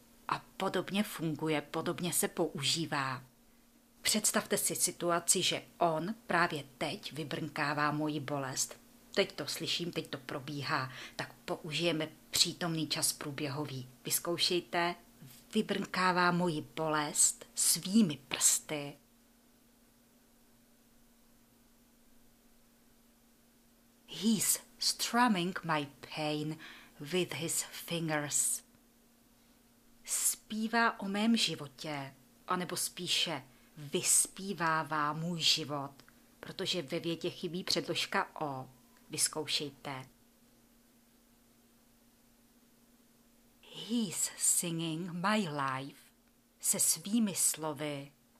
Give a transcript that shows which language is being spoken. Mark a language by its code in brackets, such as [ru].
[cs] A podobně funguje, podobně se používá. Představte si situaci, že on právě teď vybrnkává moji bolest. Teď to slyším, teď to probíhá, tak použijeme přítomný čas průběhový. Vyzkoušejte. Vybrnkává moji bolest svými prsty. [en] He's strumming my pain with his fingers. [cs] Zpívá o mém životě, anebo spíše vyspívává můj život, protože ve větě chybí předložka o. Vyzkoušejte. [en] He's singing my life [cs] se svými slovy.